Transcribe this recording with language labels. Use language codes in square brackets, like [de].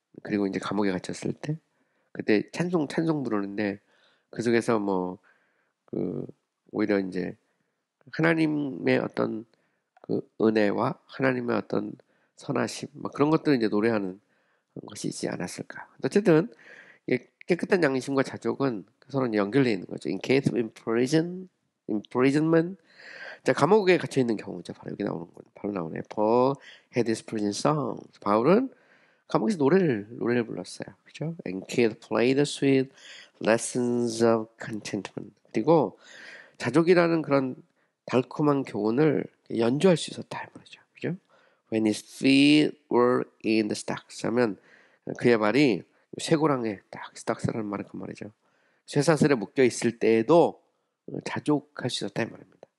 [ko] 그리고 이제 감옥에 갇혔을 때 그때 찬송 부르는데 그 속에서 오히려 이제 하나님의 어떤 은혜와 하나님의 어떤 선하심, 막 그런 것들을 이제 노래하는 것이지 않았을까. 어쨌든, 깨끗한 양심과 자족은 서로 연결되어 있는 거죠. [en] In case of imprisonment. [ko] 자, 감옥에 갇혀 있는 경우죠. 바로 여기 나오는 거예요. 바로 나오네. [en] Paul had his prison song. [ko] 바울은 감옥에서 노래를 불렀어요. 그죠? [en] And could play the sweet lessons of contentment. [ko] 그리고 자족이라는 그런 달콤한 교훈을 연주할 수 있었다 말이죠. 그죠? [en] When his feet were in the stocks. [ko] 하면 그의 발이 쇠고랑에 딱 stocks라는 말은 그 말이죠. 쇠사슬에 묶여 있을 때에도 자족할 수 있었다 말입니다.